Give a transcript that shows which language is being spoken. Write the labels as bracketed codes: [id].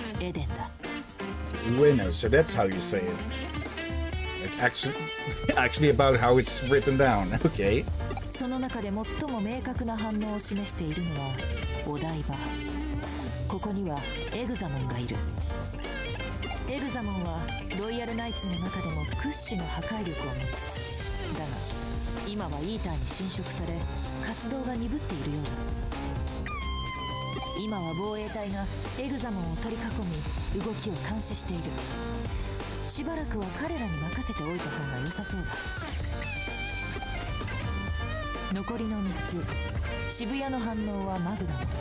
[ja] しかし、苦労のかいあって彼らの大よその位置はつかむことができたよ。今、ロイヤルナイツの反応がある箇所は4箇所。お台場、渋谷、上野、そしてエデンだ。Ueno, [en] so that's how you say it. Like actually about how it's written down, okay? [ja] その中で最も明確な反応を示しているのはお台場。ここにはエグザモンがいる。エグザモンはロイヤルナイツの中でも屈指の破壊力を持つ。だが、今はイーターに侵食され、活動が鈍っているようだ。今は防衛隊がエグザモンを取り囲み、動きを監視している。しばらくは彼らに任せておいた方が良さそうだ。残りの3つ、渋谷の反応はマグナム。